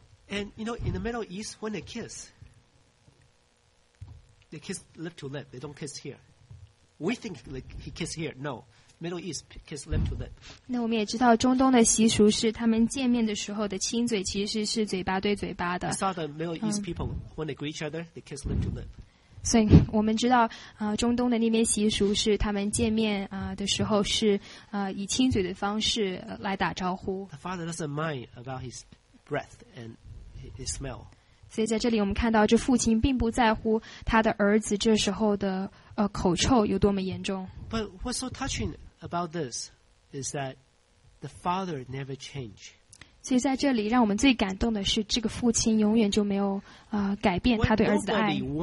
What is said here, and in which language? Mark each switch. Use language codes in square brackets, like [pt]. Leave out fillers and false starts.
[en] And you know, in the Middle East, when they kiss lip to lip. They don't kiss here. We think like he kiss here. No, Middle East kiss lip to lip. [zh] 那我们也知道，中东的习俗是他们见面的时候的亲嘴其实是嘴巴对嘴巴的。 [en] I saw the Middle East people when they greet each other, they kiss lip to lip. [zh] 所以我们知道中东的那边习俗是他们见面的时候是以亲嘴的方式来打招呼。 [en] The father doesn't mind about his breath and his smell. [zh] 所以在这里我们看到这父亲并不在乎他的儿子这时候的口臭有多么严重。 [en] But what's so touching about this is that the father never changed. [zh] 所以在这里让我们最感动的是这个父亲永远就没有改变他对儿子的爱。